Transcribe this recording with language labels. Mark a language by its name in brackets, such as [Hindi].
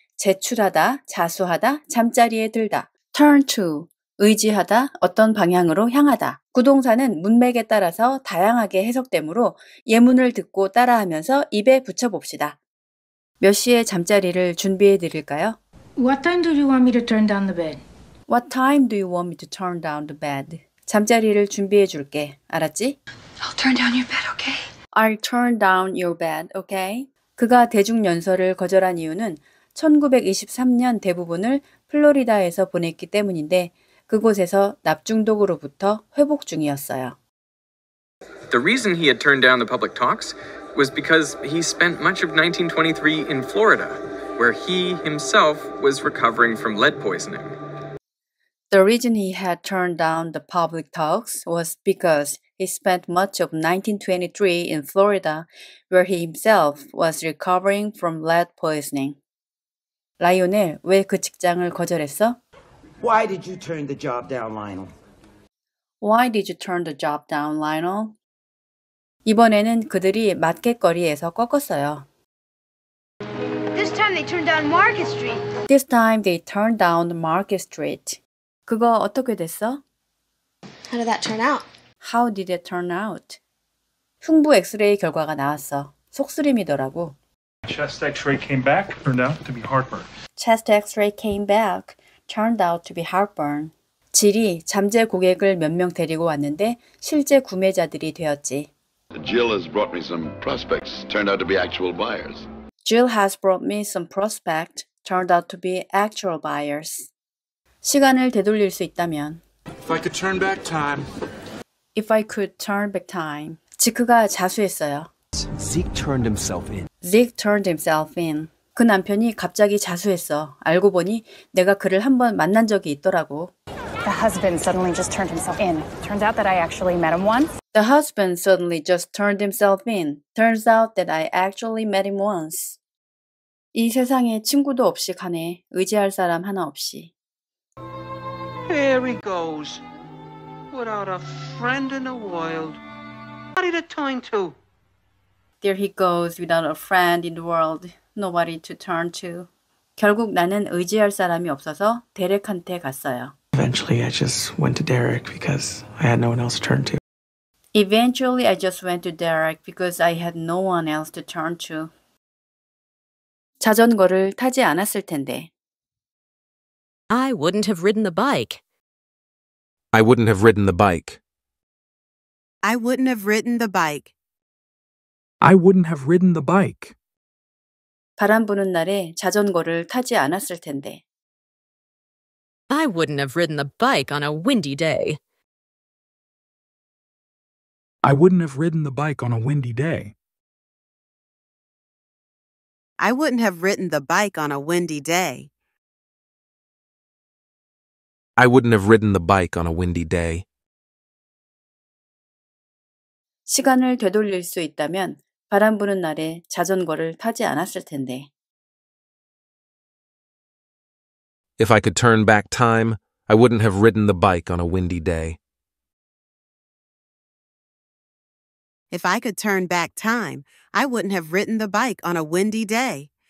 [Korean] 제출하다, 자수하다, 잠자리에 들다. [English] turn to. [Korean] 의지하다, 어떤 방향으로 향하다. 구동사는 문맥에 따라서 다양하게 해석되므로 예문을 듣고 따라하면서 입에 붙여봅시다. 몇 시에 잠자리를 준비해 드릴까요? [English] What time do you want me to turn down the bed? What time do you want me to turn down the bed? [Korean] 잠자리를 준비해 줄게. 알았지? [English] I'll turn down your bed, okay? I'll turn down your bed, okay? [Korean] 그가 대중연설을 거절한 이유는 1923년 대부분을 플로리다에서 보냈기 때문인데 그곳에서 납중독으로부터 회복 중이었어요. [English] The reason he had turned down the public talks was because he spent much of 1923 in Florida, where he himself was recovering from lead poisoning. The reason he had turned down the public talks was because he spent much of 1923 in Florida, where he himself was recovering from lead poisoning. [Korean] 라이오넬, 왜 그 직장을 거절했어? [English] Why did you turn the job down, Lionel? Why did you turn the job down, Lionel? [Korean] 이번에는 그들이 마켓거리에서 꺾었어요. [English] This time they turned down Market Street. This time they turned down Market Street. [Korean] 그거 어떻게 됐어? [English] How did that turn out? How did it turn out? [Korean] 흉부 엑스레이 결과가 나왔어. 속쓰림이더라고. [English] Chest X-ray came back, turned out to be heartburn. Chest X-ray came back, turned out to be heartburn. [Korean] 질이 잠재 고객을 몇 명 데리고 왔는데 실제 구매자들이 되었지. [English] Jill has brought me some prospects, turned out to be actual buyers. Jill has brought me some prospects, turned out to be actual buyers. [Korean] 시간을 되돌릴 수 있다면. [English] If I could turn back time. If I could turn back time. [Korean] 지크가 자수했어요. [English] Zeke turned himself in. Zeke turned himself in. [Korean] 그 남편이 갑자기 자수했어. 알고 보니 내가 그를 한번 만난 적이 있더라고. [English] The husband suddenly just turned himself in. Turns out that I actually met him once. The husband suddenly just turned himself in. Turns out that I actually met him once. [Korean] 이 세상에 친구도 없이 가네. 의지할 사람 하나 없이. [English] Here he goes. Without a friend in the world. What did it turn to? There he goes without a friend in the world. Nobody to turn to. [Korean] 결국 나는 의지할 사람이 없어서 데렉한테 갔어요. [English] Eventually I just went to Derek because I had no one else to turn to. Eventually I just went to Derek because I had no one else to turn to. [Korean] 자전거를 타지 않았을 텐데. [English] I wouldn't have ridden the bike. I wouldn't have ridden the bike. I wouldn't have ridden the bike. I wouldn't have ridden the bike. [Korean] 바람 부는 날에 자전거를 타지 않았을 텐데. [English] I wouldn't have ridden the bike on a windy day. I wouldn't have ridden the bike on a windy day. I wouldn't have ridden the bike on a windy day. I wouldn't have ridden the bike on a windy day. [Korean] 시간을 되돌릴 수 있다면 바람 부는 날에 자전거를 타지 않았을 텐데. [English] If I could turn back time, I wouldn't have ridden the bike on a windy day. If I could turn back time, I wouldn't have ridden the bike on a windy day.